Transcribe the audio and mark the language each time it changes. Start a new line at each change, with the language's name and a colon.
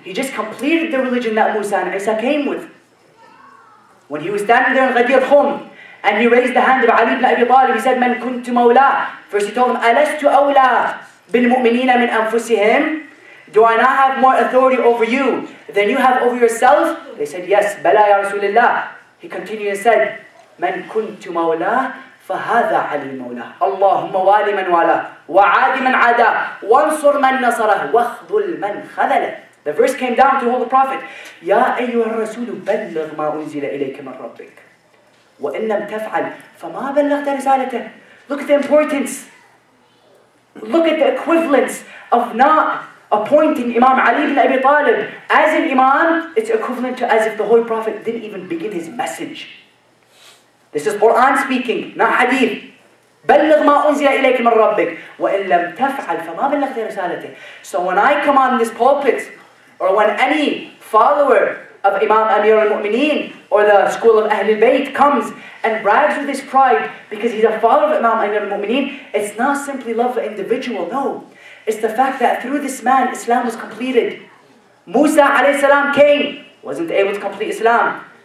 English: He just completed the religion that Musa and Isa came with. When he was standing there in Ghadir Khum, and he raised the hand of Ali ibn Abi Talib, he said,
Arabic: "Man kuntu mawla."
English: First he told him,
Arabic: "Alastu awla bil mu'minina min anfusihim?"
English: Do I not have more authority over you than you have over yourself? They said, "Yes,
Arabic: bala ya Rasulullah."
English: He continued and said,
Arabic: من كنت مولاه فهذا علي مولاه. اللهم والي من والاه وعادي من عاداه وانصر من نصره واخذل من خذله.
English: The verse came down to hold the prophet.
Arabic: يا أيها الرسول بلغ ما أنزل إليك من ربك وإن لم تفعل فما بلغت رسالته.
English: Look at the importance. Look at the equivalence of not appointing Imam Ali ibn Abi Talib as an imam. It's equivalent to as if the Holy Prophet didn't even begin his message. This is Quran speaking, not hadith.
Arabic: بلغ ما أنزل إليك من ربك وإن لم تفعل فما بلغت رسالته.
English: So when I come on this pulpit, or when any follower of Imam Amir al-Mu'mineen or the school of Ahlul Bayt comes and brags with his pride because he's a follower of Imam Amir al-Mu'mineen, it's not simply love for individual, no. It's the fact that through this man, Islam was completed. Musa alayhi salam came, wasn't able to complete Islam.